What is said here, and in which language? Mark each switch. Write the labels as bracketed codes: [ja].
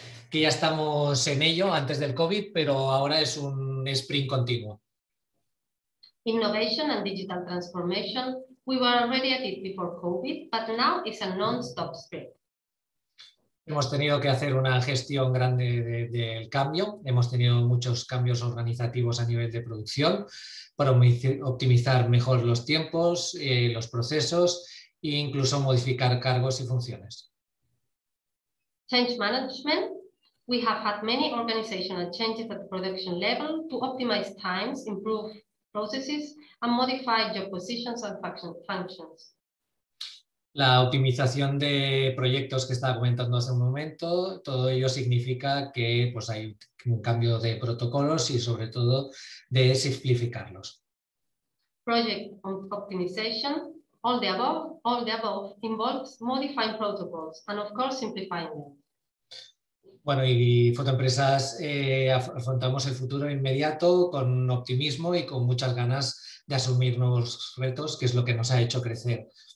[es] Que ya estamos en ello antes del COVID, pero ahora es un sprint continuo. [en] Innovation and digital transformation. We were already at it before COVID, but now it's a non-stop sprint. [es] Hemos tenido que hacer una gestión grande del cambio. Hemos tenido muchos cambios organizativos a nivel de producción para optimizar mejor los tiempos, los procesos e incluso modificar cargos y funciones. [en] Change management. We have had many organizational changes at the production level to optimize times, improve processes and modify job positions and functions. [es] La optimización de proyectos que estaba comentando hace un momento, todo ello significa que pues, hay un cambio de protocolos y sobre todo de simplificarlos. [en] Project optimization, all the above involves modifying protocols and of course simplifying them. [es] Bueno, y Fotoempresas afrontamos el futuro inmediato con optimismo y con muchas ganas de asumir nuevos retos, que es lo que nos ha hecho crecer.